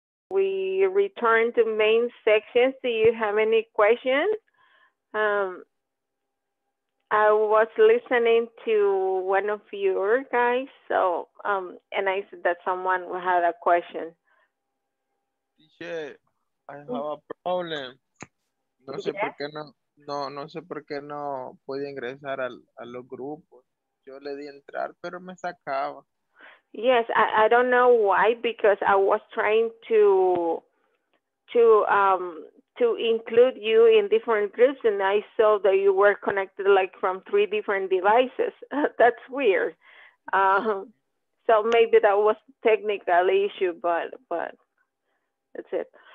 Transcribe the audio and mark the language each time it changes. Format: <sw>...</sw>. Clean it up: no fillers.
<en>We return to main sections. Do you have any questions? I was listening to one of your guys, so and I said that someone had a question. Teacher, I have a problem.</en> <es>No sé por qué no puede ingresar a los grupos. Yo le di entrar, pero me sacaba.</es> <en>Yes, I don't know why, because I was trying to include you in different groups, and I saw that you were connected like from three different devices. That's weird. So maybe that was a technical issue, but that's it.</en>